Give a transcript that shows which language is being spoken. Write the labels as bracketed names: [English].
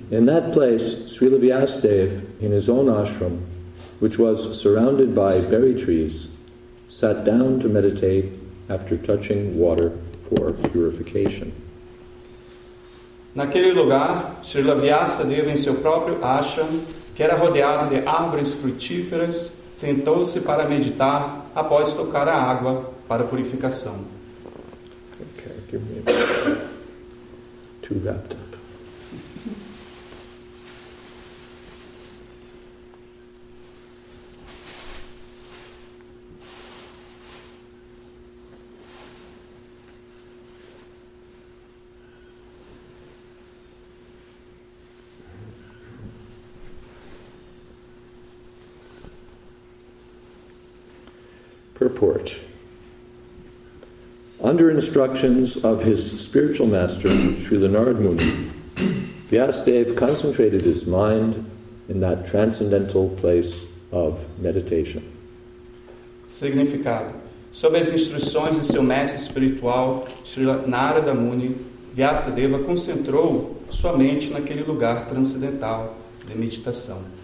[English] In that place, Srila Vyasadeva, in his own ashram, which was surrounded by berry trees, sat down to meditate after touching water for purification. [Portuguese] Naquele lugar, Srila Vyasadeva, em seu próprio ashram, que era rodeado de árvores frutíferas, sentou-se para meditar após tocar a água para purificação. [English] Okay, give me two wrapped up. Purport. Under instructions of his spiritual master, Srila Narada Muni, Vyasadeva concentrated his mind in that transcendental place of meditation. [Portuguese] Significado. Sob as instruções de seu mestre espiritual, Srila Narada Muni, Vyasadeva concentrou sua mente naquele lugar transcendental de meditação.